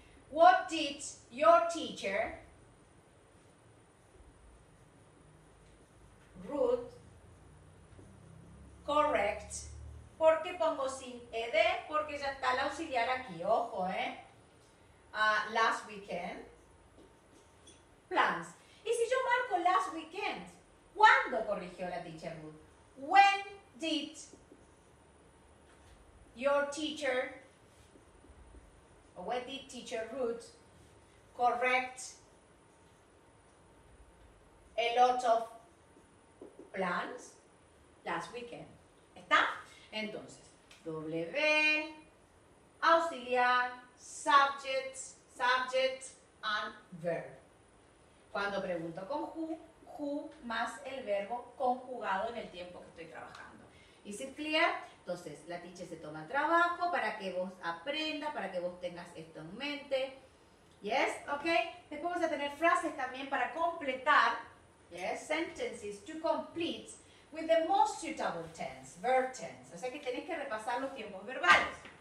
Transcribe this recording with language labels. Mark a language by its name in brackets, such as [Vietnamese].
[English] What did your teacher, Ruth, correct? [Spanish] ¿Por qué pongo sin ed? Porque ya está el auxiliar aquí, ojo, ¿eh? [English] Last weekend. Plans. [Spanish] Y si yo marco last weekend, ¿cuándo corrigió la teacher Ruth? [English] When did your teacher, or when did teacher Ruth correct a lot of plans? Last weekend. ¿Está? Entonces, W, auxiliar, subject, and verb. [Spanish] Cuando pregunto con who más el verbo conjugado en el tiempo que estoy trabajando. [English] ¿Is it clear? [Spanish] Entonces, la teacher se toma el trabajo para que vos aprendas, para que vos tengas esto en mente. Yes, okay. Después vamos a tener frases también para completar. [English] Yes, sentences to complete with the most suitable tense, verb tense. [Spanish] O sea que tenés que repasar los tiempos verbales.